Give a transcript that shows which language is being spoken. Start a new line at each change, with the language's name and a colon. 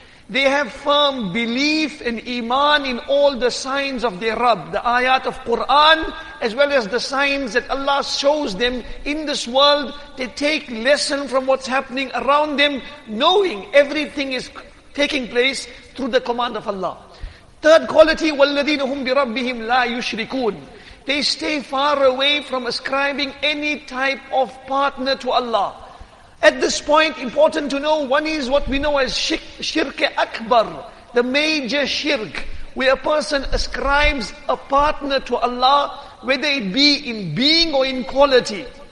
English: They have firm belief and iman in all the signs of their Rabb. The ayat of Quran, as well as the signs that Allah shows them in this world, they take lesson from what's happening around them, knowing everything is taking place through the command of Allah. Third quality,
Arabic: وَالَّذِينَ هُمْ بِرَبِّهِمْ لَا يُشْرِكُونَ.
English: They stay far away from ascribing any type of partner to Allah. At this point, important to know, one is what we know as shirk akbar, the major shirk, where a person ascribes a partner to Allah, whether it be in being or in quality.